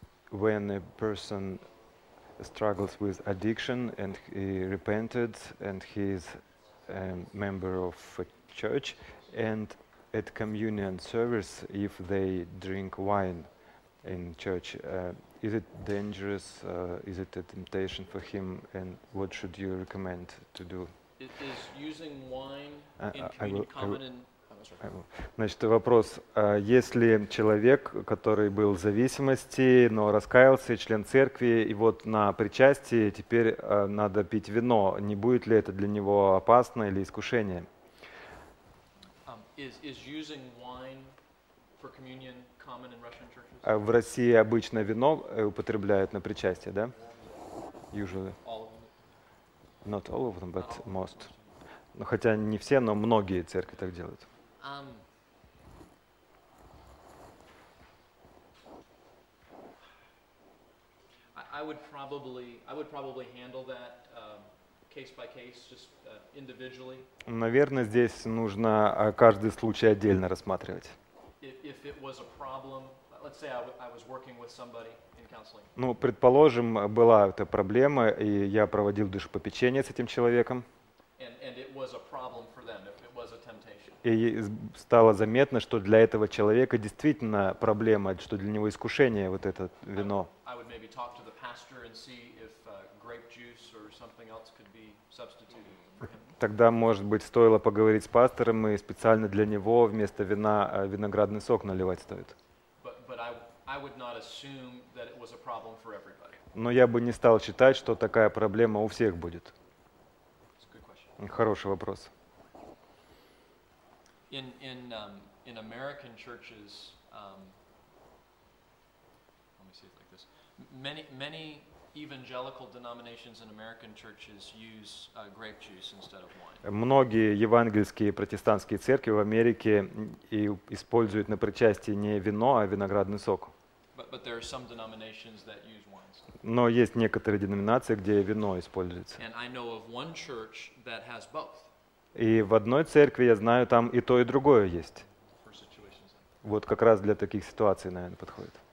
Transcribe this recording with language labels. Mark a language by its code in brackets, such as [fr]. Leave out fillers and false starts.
[en] When a person struggles with addiction and he repented and he is a member of a church, and at communion service if they drink wine in church, is it dangerous, is it a temptation for him, and what should you recommend to do? Is using wine in communion common? [ru] Значит, вопрос, если человек, который был в зависимости, но раскаялся, член церкви, и вот на причастии теперь надо пить вино, не будет ли это для него опасно или искушение? В России обычно вино употребляют на причастие, да? [en] Usually. All of them. Not all of them, but most. [ru] Ну, хотя не все, но многие церкви так делают. [en] I would probably handle that case by case, just individually. [ru] Наверное, здесь нужно каждый случай отдельно рассматривать. [en] If it was a problem, let's say I was working with somebody in counseling. [ru] Ну, предположим, была эта проблема, и я проводил душепопечение с этим человеком. [en] And it was a problem for them. It was a temptation. [ru] И стало заметно, что для этого человека действительно проблема, что для него искушение вот это вино. [en] I would maybe talk to the pastor and see if grape juice or something else could be substituted for him. [ru] Тогда, может быть, стоило поговорить с пастором и специально для него вместо вина виноградный сок наливать стоит. [en] But I would not assume that it was a problem for everybody. [ru] Но я бы не стал считать, что такая проблема у всех будет. Хороший вопрос. [en] In American churches, let me say it like this. Many evangelical denominations in American churches use grape juice instead of wine. [ru] Многие евангельские протестантские церкви в Америке используют на причастие не вино, а виноградный сок. [en] But there are some denominations that use wine. [ru] Но есть некоторые деноминации, где вино используется. [en] And I know of one church that has both. [ru] И в одной церкви, я знаю, там и то, и другое есть. [en] For situations. [ru] Вот как раз для таких ситуаций, наверное, подходит.